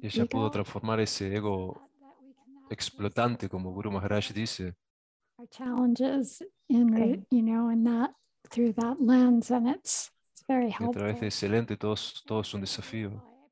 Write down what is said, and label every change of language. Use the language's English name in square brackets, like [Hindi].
[Spanish] Ella pudo transformar ese ego explotante, como Guru Maharaj dice. [English] Our challenges in, in that, through that lens, and it's very helpful. [Spanish] A través de ese lente, todo es un desafío.